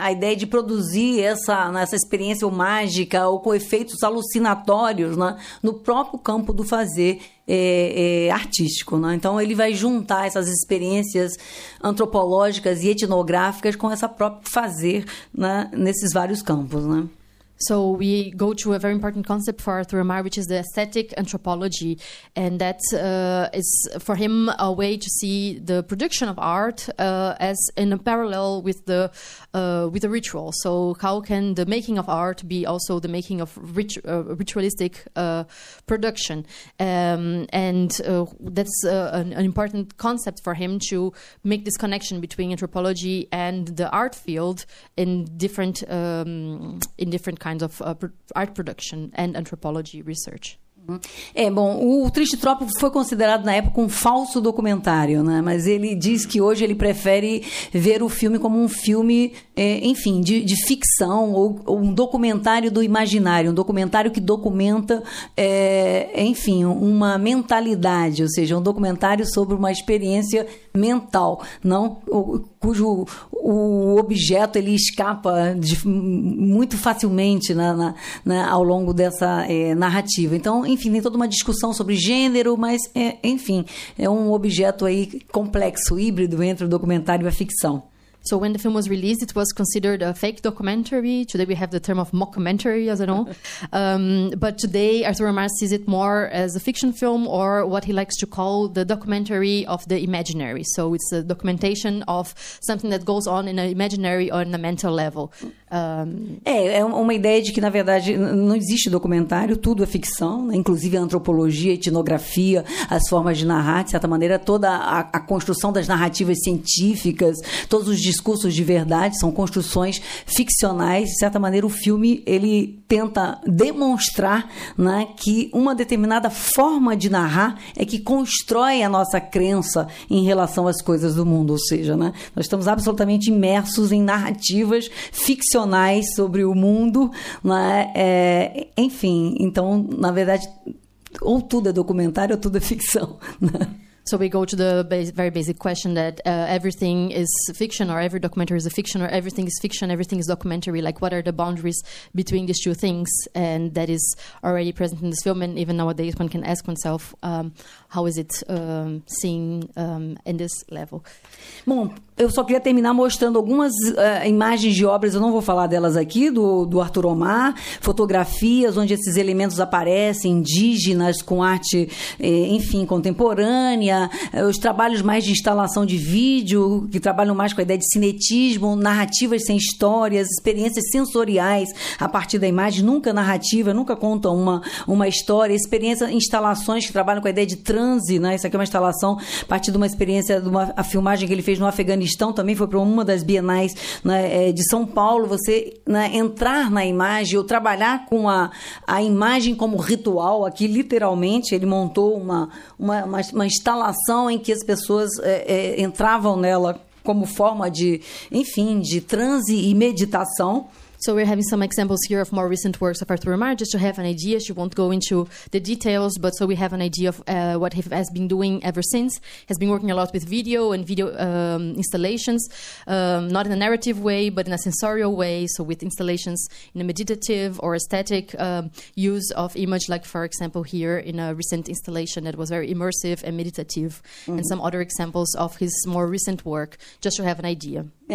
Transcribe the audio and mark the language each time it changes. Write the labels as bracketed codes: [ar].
[pt] A ideia de produzir essa experiência ou mágica ou com efeitos alucinatórios, né? No próprio campo do fazer artístico, né? Então ele vai juntar essas experiências antropológicas e etnográficas com essa própria fazer, né? Nesses vários campos, né? [en] So we go to a very important concept for Arthur Omar, which is the aesthetic anthropology, and that is for him a way to see the production of art as in a parallel with the ritual. So how can the making of art be also the making of ritualistic production? That's an important concept for him to make this connection between anthropology and the art field in different kinds of art production and anthropology research. [pt] Bom, o Triste Trópico foi considerado na época um falso documentário, né? Mas ele diz que hoje ele prefere ver o filme como um filme, enfim, de ficção ou um documentário do imaginário, um documentário que documenta, enfim, uma mentalidade, ou seja, um documentário sobre uma experiência mental, não cujo o objeto ele escapa muito facilmente, né, ao longo dessa narrativa. Então, enfim, tem toda uma discussão sobre gênero, mas, enfim, é um objeto aí complexo, híbrido entre o documentário e a ficção. [en] So when the film was released, it was considered a fake documentary. Today we have the term of mockumentary, as I know. But today, Arthur Omar sees it more as a fiction film, or what he likes to call the documentary of the imaginary. So it's a documentation of something that goes on in an imaginary or in a mental level. [pt] É uma ideia de que, na verdade, não existe documentário, tudo é ficção, né? Inclusive a antropologia, a etnografia, as formas de narrar, de certa maneira, toda a construção das narrativas científicas, todos os discursos de verdade são construções ficcionais. De certa maneira, o filme ele tenta demonstrar, né, que uma determinada forma de narrar é que constrói a nossa crença em relação às coisas do mundo, ou seja, né, nós estamos absolutamente imersos em narrativas ficcionais sobre o mundo, né? Enfim, então, na verdade, ou tudo é documentário ou tudo é ficção. [en] So we go to the very basic question that everything is fiction, or every documentary is a fiction, or everything is fiction, everything is documentary. Like, what are the boundaries between these two things? And that is already present in this film. And even nowadays, one can ask oneself, how is it seen in this level? [pt] Bom, eu só queria terminar mostrando algumas imagens de obras, eu não vou falar delas aqui, do Arthur Omar, fotografias onde esses elementos aparecem, indígenas, com arte, enfim, contemporânea. Os trabalhos mais de instalação de vídeo, que trabalham mais com a ideia de cinetismo, narrativas sem histórias, experiências sensoriais a partir da imagem, nunca narrativa, nunca contam uma história, experiências, instalações que trabalham com a ideia de transe, né? Isso aqui é uma instalação a partir de uma experiência, de uma a filmagem que ele fez no Afeganistão, também foi para uma das bienais, né, de São Paulo, você, né, entrar na imagem ou trabalhar com a imagem como ritual. Aqui literalmente ele montou uma instalação em que as pessoas entravam nela como forma de, enfim, de transe e meditação. [en] So we're having some examples here of more recent works of Arthur Omar, just to have an idea. She won't go into the details, but so we have an idea of what he has been doing ever since. He has been working a lot with video and video installations, not in a narrative way, but in a sensorial way, so with installations in a meditative or aesthetic use of image, like, for example, here in a recent installation that was very immersive and meditative, mm-hmm. and some other examples of his more recent work, just to have an idea.